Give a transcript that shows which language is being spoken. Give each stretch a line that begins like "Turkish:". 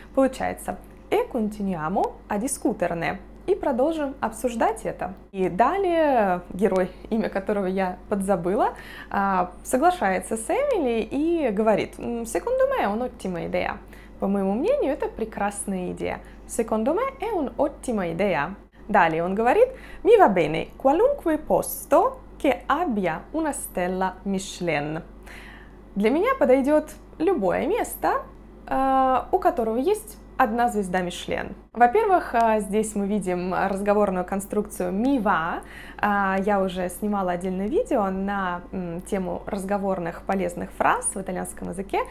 Russian: Получается
Italian: «e continuiamo a discuterne»
Russian: и продолжим обсуждать это. И далее герой, имя которого я подзабыла, соглашается с Эмили и говорит
Italian: «secondo me è un'ottima idea».
Russian: По моему мнению, это прекрасная идея.
Italian: «Secondo me è un'ottima idea».
Russian: Далее он говорит
Italian: «Mi va bene qualunque posto che abbia una stella Michelin».
Russian: Для меня подойдет любое место, у которого есть одна звезда Michelin. Во-первых, здесь мы видим разговорную конструкцию
Italian: «Mi va».
Russian: Я уже снимала отдельное видео на тему разговорных полезных фраз в итальянском языке.